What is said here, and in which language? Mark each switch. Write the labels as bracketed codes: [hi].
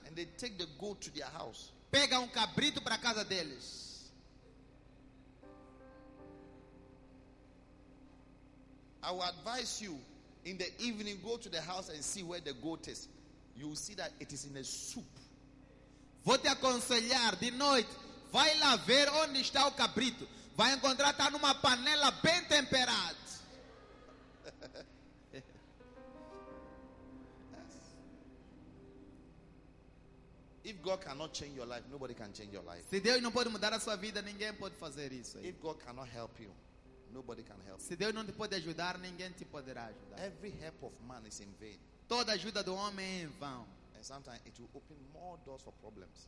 [en] And they take the goat to their house. [pt] Pega um cabrito para casa deles. [en] I would advise you in the evening go to the house and see where the goat is. You will see that it is in a soup. [pt] Vou te aconselhar de noite, vai lá ver onde está o cabrito. Vai encontrar está numa panela bem temperada. [en] If God cannot change your life, nobody can change your life. [pt] Se Deus não pode mudar a sua vida, ninguém pode fazer isso. [en] If God cannot help you, nobody can help. [pt] Se Deus não te pode ajudar, ninguém te poderá ajudar. [en] Every help of man is in vain. [pt] Toda ajuda do homem é em vão. [en] And sometimes it will open more doors for problems.